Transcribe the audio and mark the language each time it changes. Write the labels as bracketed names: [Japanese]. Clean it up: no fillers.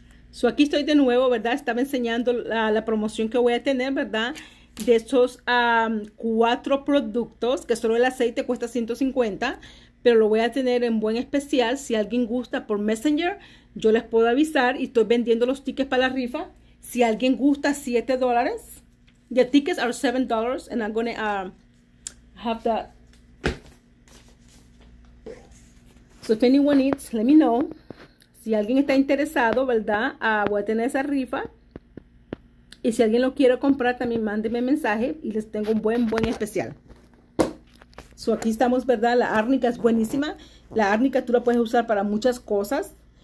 [Spanish] So aquí estoy de nuevo, ¿verdad? Estaba enseñando la promoción que voy a tener, ¿verdad? De estos cuatro productos, que solo el aceite cuesta $150, pero lo voy a tener en buen especial. Si alguien gusta por Messenger, yo les puedo avisar y estoy vendiendo los tickets para la rifa. Si alguien gusta, $7. [English] The tickets are $7, and I'm gonna have that. So if anyone needs, let me know. [Spanish] Si alguien está interesado, ¿verdad? Voy a tener esa rifa. Y si alguien lo quiere comprar, también mándeme mensaje y les tengo un buen especial. So aquí estamos, ¿verdad? La árnica es buenísima. La árnica tú la puedes usar para muchas cosas.